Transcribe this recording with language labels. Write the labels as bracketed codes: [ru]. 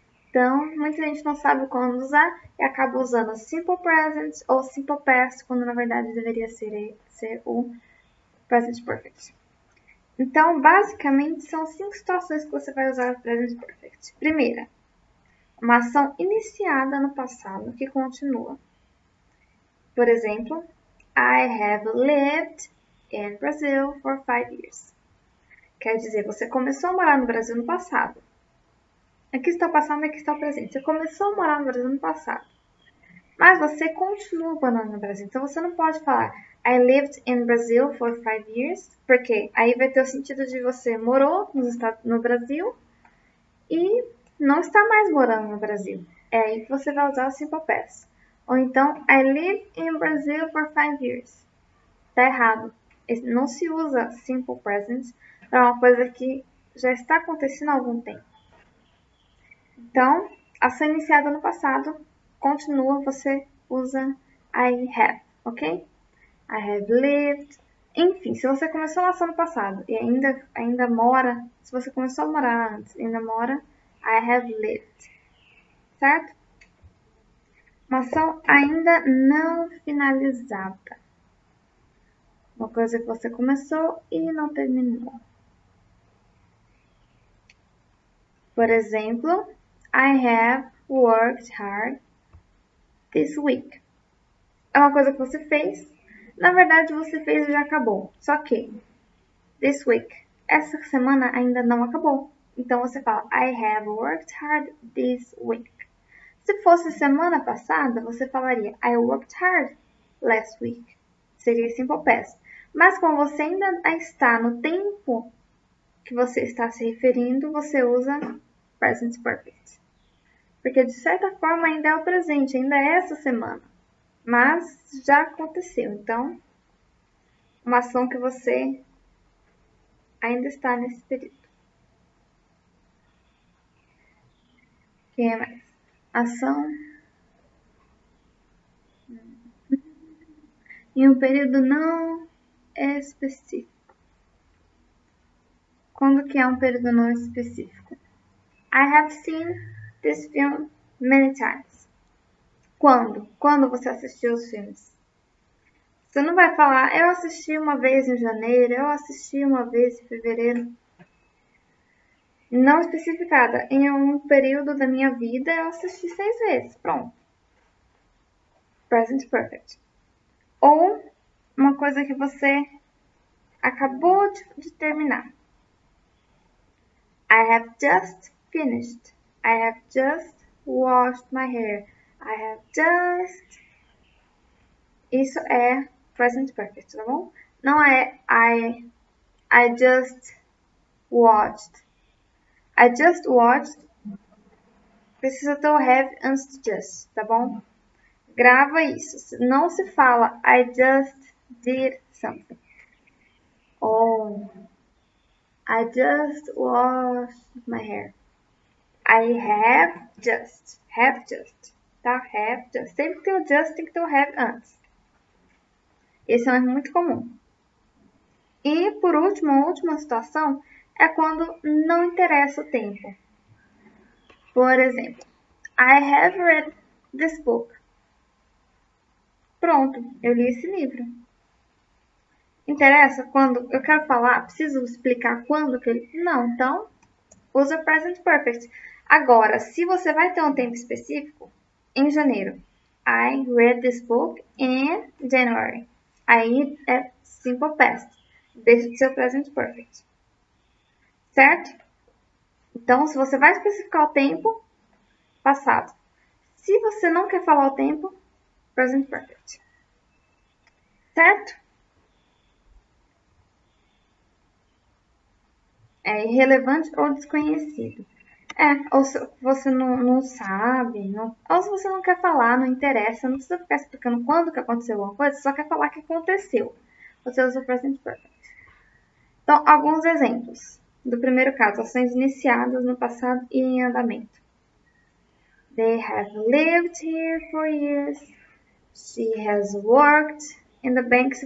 [pt] Então, muita gente não sabe quando usar e acaba usando Simple Present ou Simple Past, quando na verdade deveria ser o Present Perfect. Então, basicamente, são cinco situações que você vai usar o Present Perfect. Primeira, uma ação iniciada no passado que continua. Por exemplo, [en] I have lived in Brazil for 5 years. [pt] Quer dizer, você começou a morar no Brasil no passado. Aqui está o passado, aqui está o presente. Você começou a morar no Brasil no passado, mas você continua morando no Brasil. Então você não pode falar [en] I lived in Brazil for 5 years, [pt] porque aí vai ter o sentido de você morou no Brasil e não está mais morando no Brasil. É aí que você vai usar o Simple Past. Ou então, [en] I live in Brazil for 5 years. [pt] Tá errado. Não se usa Simple Present para uma coisa que já está acontecendo há algum tempo. Então, ação iniciada no passado, continua, você usa [en] I have, [pt] ok? [en] I have lived. [pt] Enfim, se você começou uma ação no passado e ainda mora, se você começou a morar antes e ainda mora, I have lived. Certo? Uma ação ainda não finalizada. Uma coisa que você começou e não terminou. Por exemplo, [en] I have worked hard this week. [pt] É uma coisa que você fez. Na verdade, você fez e já acabou. Só que this week, essa semana ainda não acabou. Então você fala, [en] I have worked hard this week. [pt] Se fosse semana passada, você falaria, [en] I worked hard last week. [pt] Seria simple past. Mas como você ainda está no tempo que você está se referindo, você usa present perfect. Porque de certa forma ainda é o presente, ainda é essa semana. Mas já aconteceu. Então, uma ação que você ainda está nesse período. Quem é mais? Ação. Em um período não específico. Quando que é um período não específico? [en] I have seen this film many times. [pt] Quando? Quando você assistiu os filmes? Você não vai falar, eu assisti uma vez em janeiro, eu assisti uma vez em fevereiro. Não especificada. Em um período da minha vida, eu assisti 6 vezes. Pronto. Present perfect. Ou uma coisa que você acabou de terminar. [en] I have just finished. I have just washed my hair. I have just. [pt] Isso é present perfect, tá bom? Não é [en] I just watched. I just watched. [pt] Precisa ter o have antes do just, tá bom? Grava isso. Não se fala [en] I just did something. [pt] Ou [en] I just washed my hair. I have just. Have just. [pt] Tá? [en] Have just. [pt] Sempre que tem o just, tem que ter o have antes. Esse é um erro muito comum. E por último, a última situação. É quando não interessa o tempo. Por exemplo, [en] I have read this book. [pt] Pronto, eu li esse livro. Interessa quando eu quero falar, preciso explicar quando que eu li. Não, então usa present perfect. Agora, se você vai ter um tempo específico, em janeiro, [en] I read this book in January. [pt] Aí é simple past. Deixa de ser present perfect. Certo? Então, se você vai especificar o tempo, passado. Se você não quer falar o tempo, Present perfect. Certo? É irrelevante ou desconhecido. É, ou se você não sabe, não, ou se você não quer falar, não interessa, não precisa ficar explicando quando que aconteceu alguma coisa, só quer falar que aconteceu. Você usa o present perfect. Então, alguns exemplos do primeiro caso: ações iniciadas no passado e em andamento. [en] They have lived here for years. She has worked in the bank.